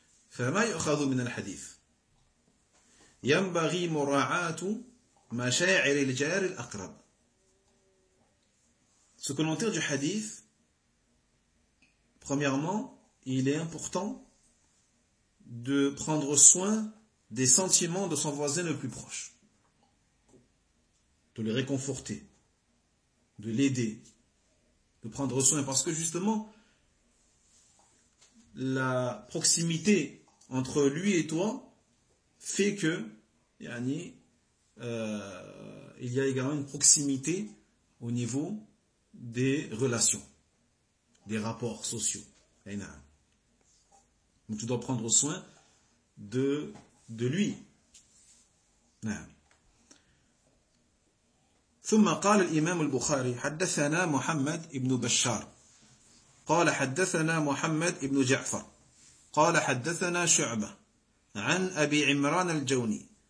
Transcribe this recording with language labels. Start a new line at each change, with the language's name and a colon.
Arabic: فما يؤخذ من الحديث ينبغي مراعاة مشاعر الجار الأقرب.
French: Ce que l'on tire du hadith, premièrement, il est important de prendre soin des sentiments de son voisin le plus proche, de le réconforter, de l'aider, de prendre soin, parce que justement, la proximité entre lui et toi, fait que, yani, il y a également une proximité au niveau des relations, des rapports sociaux. Donc tu dois prendre soin de lui.
Arabic: ثم قال الإمام البخاري حدثنا محمد ابن بشار قال حدثنا محمد ابن جعفر قال حدثنا شعبة عن أبي عمران الجوني